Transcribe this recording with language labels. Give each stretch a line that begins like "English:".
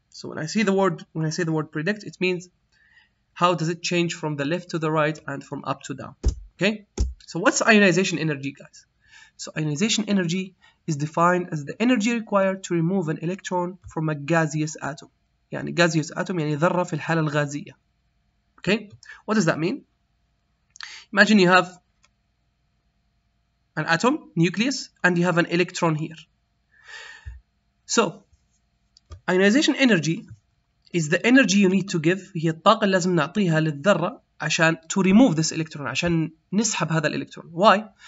English: So when I see the word, when I say the word predict, it means how does it change from the left to the right and from up to down. Okay? So what's ionization energy, guys? So ionization energy is defined as the energy required to remove an electron from a gaseous atom.
Arabic: يعني gaseous atom يعني ذرة في الحالة الغازية.
English: Okay? What does that mean? Imagine you have an atom, nucleus, and you have an electron here. So, ionization energy is the energy you need to give,
Arabic: هي الطاقة اللي لازم نعطيها للذرة عشان
English: to remove this electron,
Arabic: عشان نسحب هذا الالكترون.
English: Why?